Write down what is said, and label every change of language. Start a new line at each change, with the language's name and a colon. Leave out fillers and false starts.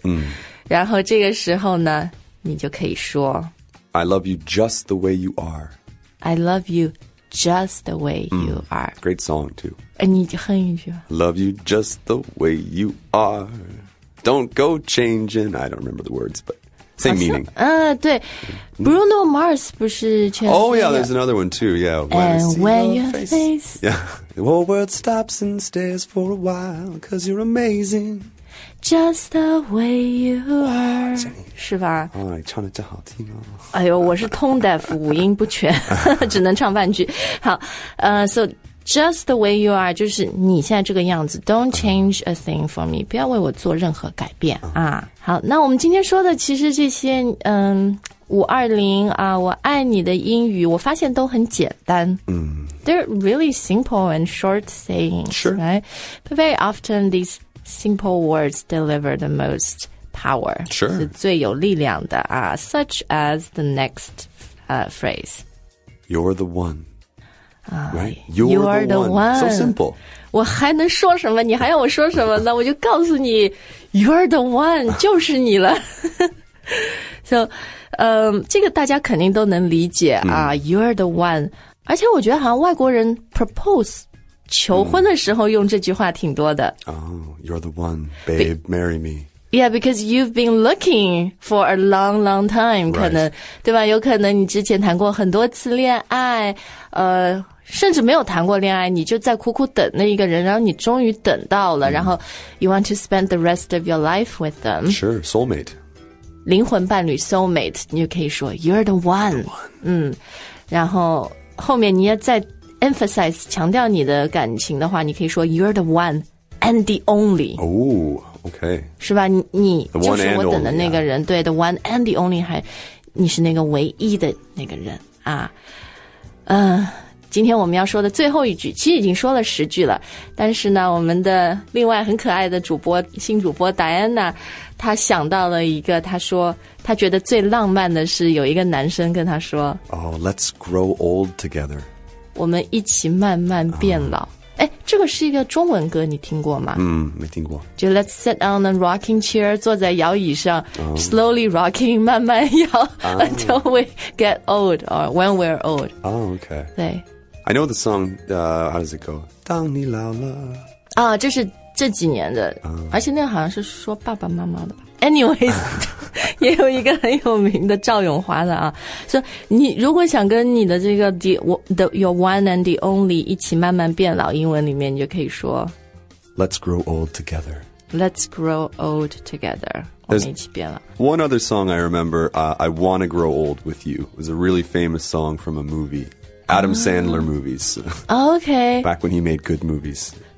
Chinese: 嗯、然后这个时候呢你就可以说
English: I love you just the way you are I love you just the way you are、嗯、Great song too
Chinese: 你就哼一句
English: Love you just the way you are Don't go changing I don't remember the words butSame meaning.
Chinese: 对 Bruno Mars 不是全世界
English: Oh yeah, there's another one too, yeah. When your face. Yeah. The whole world stops and stares for a while, cause you're amazing. Just the way you are.
Chinese: 是吧、 oh, 唱得真好听哦。哎呦我是
English: tone deaf,
Chinese: 五音不全只能唱半句。好
English: So, just the way you are,
Chinese: 就是你现在这个样子
English: don't change a thing for me,
Chinese: 不要为我做任何改变、啊。好那我们今天说的其实这些520啊我爱你的英语我发现都很简单。
English: They're really simple and short sayings, sure. Right? But very often these simple words deliver the most power. Sure.
Chinese: 是最有力量的啊
English: such as the next, phrase. You're the one. Right? You're the one. So simple.
Chinese: 我还能说什么？你还要我说什么呢？我就告诉你 ，
English: You're the one，
Chinese: 就是你了。 So， 这个大家肯定都能理解啊。
English: You're the one。
Chinese: 而且我觉得好像外国人 propose 求婚的时候用这句话挺多的。
English: Oh, you're the one, babe, marry me. Yeah, because you've been looking for a long, long time,
Chinese: 可能、
English: right.
Chinese: 对吧有可能你之前谈过很多次恋爱甚至没有谈过恋爱你就在苦苦等那一个人然后你终于等到了、然后
English: you want to spend the rest of your life with them. Sure, soulmate.
Chinese: 灵魂伴侣 soulmate, 你就可以说
English: you're the one. The one.
Chinese: 然后后面你要再 emphasize, 强调你的感情的话你可以说
English: you're the one and the only. Ooh. Okay.
Chinese: 是吧你就是我等的那个人对
English: the one and the only
Chinese: 还你是那个唯一的那个人啊。今天我们要说的最后一句其实已经说了十句了但是呢我们的另外很可爱的主播新主播 Diana 她想到了一个她说她觉得最浪漫的是有一个男生跟她说
English: Oh, let's grow old together.
Chinese: 我们一起慢慢变老。哎，这个是一个中文歌，你听过吗？没听过。
English: 就 Let's sit on a rocking chair，
Chinese: 坐在摇椅上、，
English: slowly rocking，
Chinese: 慢慢摇、，
English: until we get old or when we're old。 Okay。
Chinese: 对。
English: I know the song. How does it go?
Chinese: 当你老了。啊，这是这几年的，而且那个好像是说爸爸妈妈的吧。 Anyways， 也有一个很有名的赵咏华的啊，说你如果想跟你的这个
English: the your one and the only
Chinese: 一起慢慢变老，英文里面你就可以说
English: ，Let's grow old together. Let's grow old together.
Chinese: 我们一起变老。
English: There's、one other song I remember,、I want to grow old with you. It was a really famous song from a movie, Adam Sandler movies. Okay. Back when he made good movies.